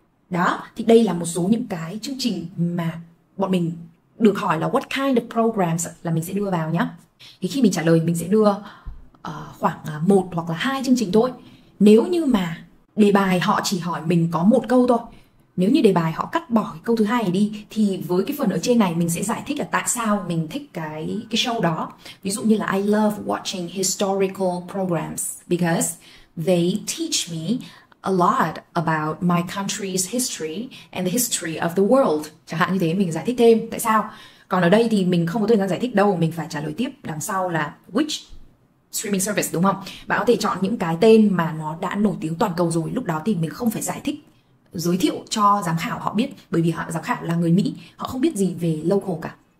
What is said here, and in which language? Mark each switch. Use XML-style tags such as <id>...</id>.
<vi>Đó, thì đây là một số những cái chương trình mà bọn mình được hỏi là</vi> <en>what kind of programs</en> <vi>là mình sẽ đưa vào nhá. Thì khi mình trả lời mình sẽ đưa khoảng một hoặc là hai chương trình thôi. Nếu như mà đề bài họ chỉ hỏi mình có một câu thôi, nếu như đề bài họ cắt bỏ cái câu thứ hai này đi, thì với cái phần ở trên này mình sẽ giải thích là tại sao mình thích cái show đó. Ví dụ như là</vi> <en>I love watching historical programs because they teach me a lot about my country's history and the history of the world.</en> <vi>Chẳng hạn như thế mình giải thích thêm tại sao. Còn ở đây thì mình không có thời gian giải thích đâu, mình phải trả lời tiếp đằng sau là</vi> <en>which streaming service,</en> <vi>đúng không? Bạn có thể chọn những cái tên mà nó đã nổi tiếng toàn cầu rồi, lúc đó thì mình không phải giải thích, giới thiệu cho giám khảo họ biết, bởi vì họ giám khảo là người Mỹ, họ không biết gì về local cả.</vi>